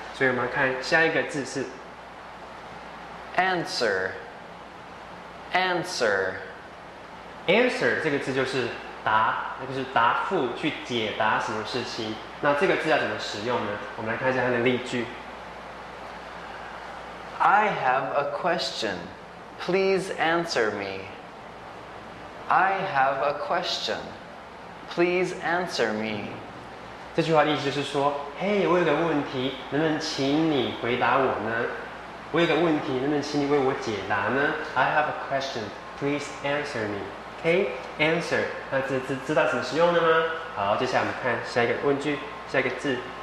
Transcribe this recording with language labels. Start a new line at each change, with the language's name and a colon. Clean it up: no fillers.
Chinese: 所以我们要看下一个字是。
English: Answer, answer,
Chinese: answer 这个字就是答，那就是答复，去解答什么事情。那这个字要怎么使用呢？我们来看一下它的例句。
English: I have a question, please answer me. I have a question, please answer me.
Chinese: 这句话的意思就是说，嘿，我有个问题，能不能请你回答我呢？我有个问题，能不能请你为我解答呢 ？
English: I have a question, please answer me.
Chinese: Okay, answer. 那知道怎么使用的吗？好，接下来我们看下一个问句，下一个字。